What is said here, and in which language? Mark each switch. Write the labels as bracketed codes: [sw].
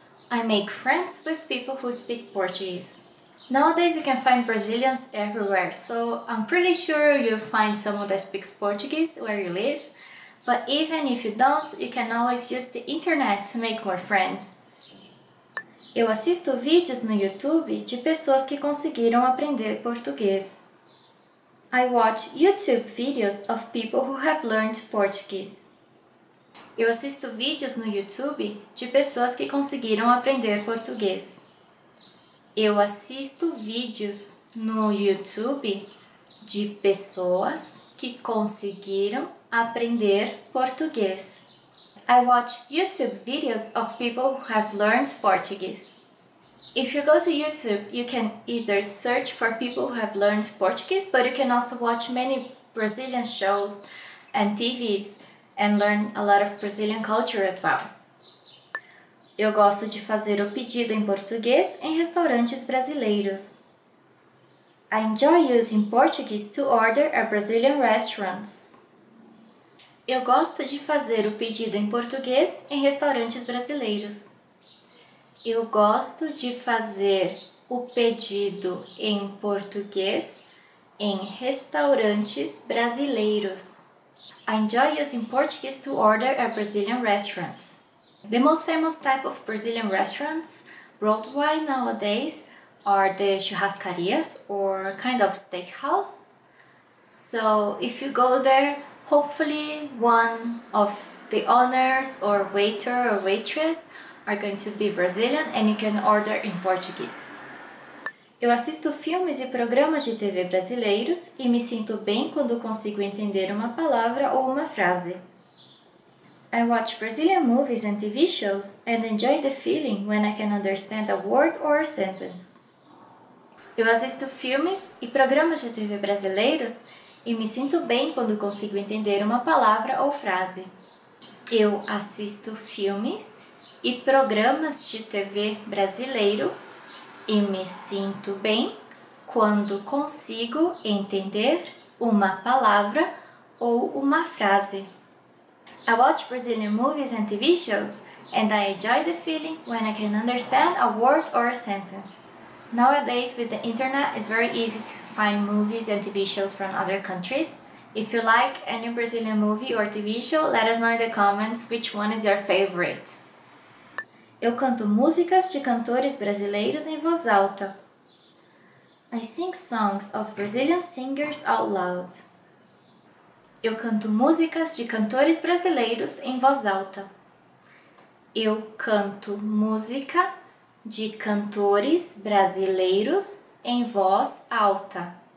[en] I make friends with people who speak Portuguese. Nowadays you can find Brazilians everywhere, so I'm pretty sure you'll find someone that speaks Portuguese where you live. But even if you don't, you can always use the internet to make more friends. [pt] Eu assisto vídeos no YouTube de pessoas que conseguiram aprender português. [en] I watch YouTube videos of people who have learned Portuguese. [pt] Eu assisto vídeos no YouTube de pessoas que conseguiram aprender português. Eu assisto vídeos no YouTube de pessoas que conseguiram aprender português. [en] I watch YouTube videos of people who have learned Portuguese. If you go to YouTube, you can either search for people who have learned Portuguese, but you can also watch many Brazilian shows and TVs and learn a lot of Brazilian culture as well. [pt] Eu gosto de fazer o pedido em português em restaurantes brasileiros. [en] I enjoy using Portuguese to order at Brazilian restaurants. [pt] Eu gosto de fazer o pedido em português em restaurantes brasileiros. Eu gosto de fazer o pedido em português em restaurantes brasileiros. [en] I enjoy using Portuguese to order at Brazilian restaurants. The most famous type of Brazilian restaurants worldwide nowadays are the churrascarias or kind of steakhouse. So if you go there, hopefully one of the owners or waiter or waitress are going to be Brazilian and you can order in Portuguese. [pt] Eu assisto filmes e programas de TV brasileiros e me sinto bem quando consigo entender uma palavra ou uma frase. [en] I watch Brazilian movies and TV shows and enjoy the feeling when I can understand a word or a sentence. [pt] Eu assisto filmes e programas de TV brasileiros e me sinto bem quando consigo entender uma palavra ou frase. Eu assisto filmes e programas de TV brasileiro e me sinto bem quando consigo entender uma palavra ou uma frase. [en] I watch Brazilian movies and TV shows and I enjoy the feeling when I can understand a word or a sentence. Nowadays, with the internet, it's very easy to find movies and TV shows from other countries. If you like any Brazilian movie or TV show, let us know in the comments which one is your favorite. [pt] Eu canto músicas de cantores brasileiros em voz alta. [en] I sing songs of Brazilian singers out loud. [pt] Eu canto músicas de cantores brasileiros em voz alta. Eu canto música de cantores brasileiros em voz alta.